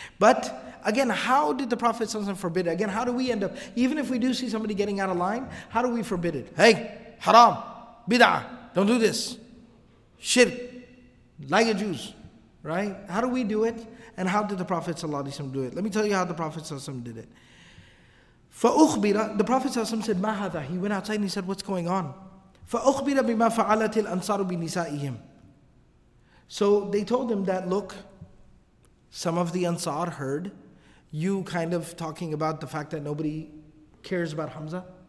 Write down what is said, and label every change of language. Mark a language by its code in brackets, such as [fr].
[en] But again, how did the Prophet ﷺ forbid it? Again, how do we end up, even if we do see somebody getting out of line, how do we forbid it? Hey, haram, bid'ah, don't do this. Shirk, like a Jews, right? How do we do it? And how did the Prophet ﷺ do it? Let me tell you how the Prophet ﷺ did it. فَأُخْبِرَ, the Prophet ﷺ said, [ar] مَا هَذَا? [en] He went outside and he said, what's going on? [ar] فَأُخْبِرَ بِمَا فَعَلَتِ الْأَنصَارُ بِنِسَائِهِمْ. [en] So they told him that, look, some of the Ansar heard you kind of talking about the fact that nobody cares about Hamza.